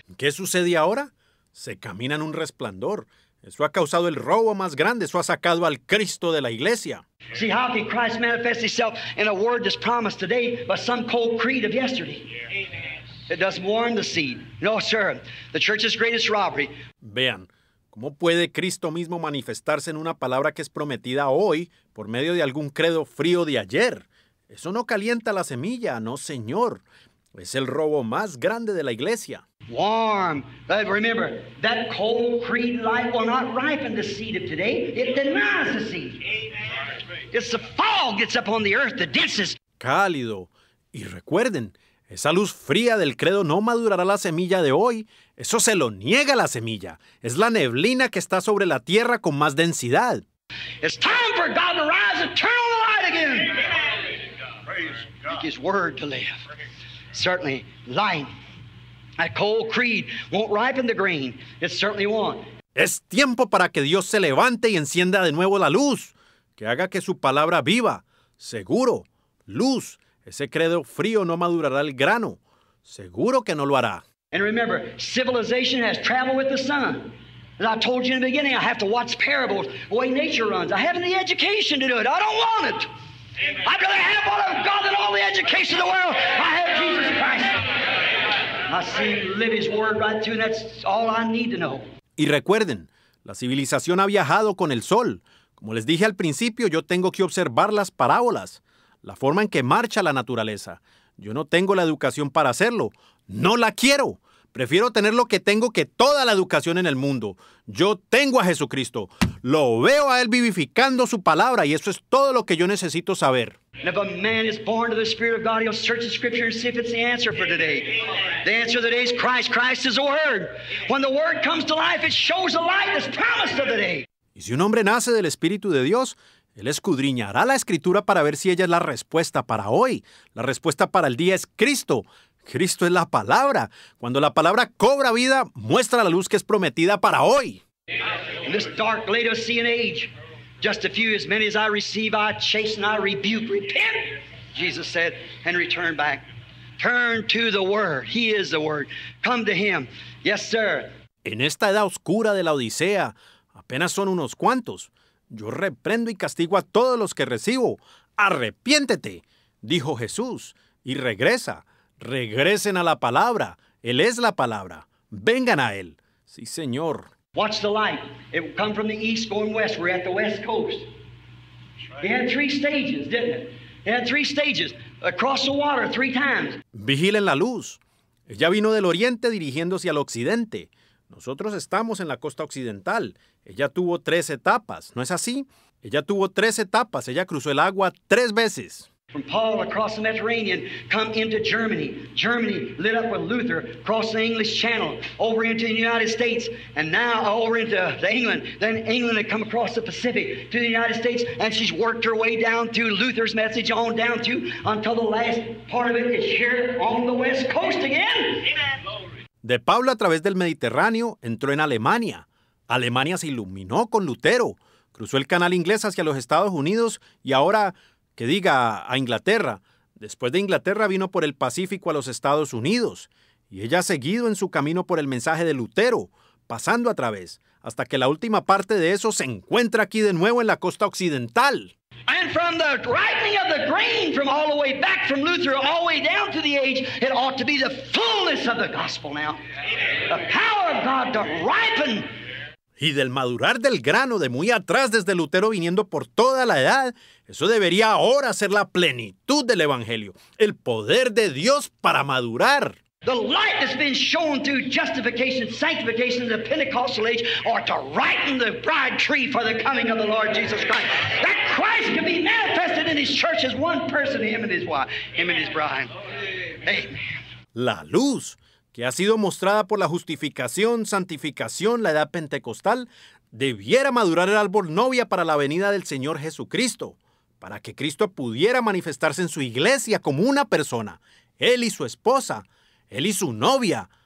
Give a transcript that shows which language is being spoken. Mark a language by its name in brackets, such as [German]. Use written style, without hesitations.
[Spanish] ¿Qué sucede ahora? Se camina en un resplandor. Eso ha causado el robo más grande. Eso ha sacado al Cristo de la iglesia. [English] See, how can Christ manifest himself in a word that's promised today by some cold creed of yesterday? Yeah. It doesn't warn the seed. No, sir. The church's greatest robbery. [Spanish] Vean, ¿cómo puede Cristo mismo manifestarse en una palabra que es prometida hoy por medio de algún credo frío de ayer? Eso no calienta la semilla, no, Señor. Es el robo más grande de la iglesia. [English] Warm. But remember, that cold creed light will not ripen the seed of today. It denies the seed. Amen. It's the fog gets up on the earth, the densest. [Spanish] Cálido. Y recuerden, esa luz fría del credo no madurará la semilla de hoy. Eso se lo niega la semilla. Es la neblina que está sobre la tierra con más densidad. [English] It's time for God to rise and turn on the light again. Praise God. His word to live. Certainly, light. That cold creed won't ripen the grain. It certainly won't. [Spanish] Es tiempo para que Dios se levante y encienda de nuevo la luz, que haga que su palabra viva. Seguro, luz. Ese credo frío no madurará el grano. Seguro que no lo hará. [English] And remember, civilization has traveled with the sun. As I told you in the beginning, I have to watch parables the way nature runs. I haven't the education to do it. I don't want it. Amen. I'd rather have all of God than all the education in the world. I have Jesus Christ. I see live his word right through, and that's all I need to know. [Spanish] Y recuerden, la civilización ha viajado con el sol. Como les dije al principio, yo tengo que observar las parábolas, la forma en que marcha la naturaleza. Yo no tengo la educación para hacerlo. No la quiero. Prefiero tener lo que tengo que toda la educación en el mundo. Yo tengo a Jesucristo. Lo veo a Él vivificando su palabra, y eso es todo lo que yo necesito saber. [English] If a man is born to the Spirit of God, he'll search the Scripture and see if it's the answer for today. The answer of the day is Christ. Christ is the Word. When the Word comes to life, it shows the light that's promised of the day. [Spanish] Y si un hombre nace del Espíritu de Dios, Él escudriñará la Escritura para ver si ella es la respuesta para hoy. La respuesta para el día es Cristo. Cristo es la palabra. Cuando la palabra cobra vida, muestra la luz que es prometida para hoy. [English] In this dark Laodicean age, just a few, as many as I receive, I chasten, I rebuke. Repent, Jesus said, and return back. Turn to the Word. He is the Word. Come to Him. Yes, sir. [Spanish] En esta edad oscura de la Odisea, apenas son unos cuantos. Yo reprendo y castigo a todos los que recibo. Arrepiéntete, dijo Jesús, y regresa. Regresen a la palabra. Él es la palabra. Vengan a Él. Sí, Señor. [English] What's the light? It will come from the east going west. We're at the west coast. Right. It had three stages, didn't it? It had three stages. Across the water three times. [Spanish] Vigilen la luz. Ella vino del oriente dirigiéndose al occidente. Nosotros estamos en la costa occidental. Ella tuvo tres etapas, ¿no es así? Ella tuvo tres etapas. Ella cruzó el agua tres veces. [English] From Paul across the Mediterranean, come into Germany. Germany lit up with Luther, across the English Channel, over into the United States, and now over into England. Then England had come across the Pacific to the United States, and she's worked her way down to Luther's message on down to until the last part of it is here on the West Coast again. Amen. [Spanish] De Paulo a través del Mediterráneo entró en Alemania. Alemania se iluminó con Lutero. Cruzó el canal inglés hacia los Estados Unidos y ahora, que diga, a Inglaterra. Después de Inglaterra vino por el Pacífico a los Estados Unidos. Y ella ha seguido en su camino por el mensaje de Lutero, pasando a través, hasta que la última parte de eso se encuentra aquí de nuevo en la costa occidental. [English] And from the ripening of the grain from all the way back from Luther all the way down to the age, it ought to be the fullness of the gospel now. The power of God to ripen. [Spanish] Y del madurar del grano de muy atrás desde Lutero viniendo por toda la edad, eso debería ahora ser la plenitud del Evangelio, el poder de Dios para madurar. [English] The light that's been shown through justification, sanctification in the Pentecostal age ought to ripen the bride tree for the coming of the Lord Jesus Christ. That Christ can be manifested in his church as one person, him and his wife, him and his bride. Amen. [Spanish] La luz que ha sido mostrada por la justificación, santificación, la edad pentecostal, debiera madurar el árbol novia para la venida del Señor Jesucristo, para que Cristo pudiera manifestarse en su iglesia como una persona, él y su esposa, él y su novia.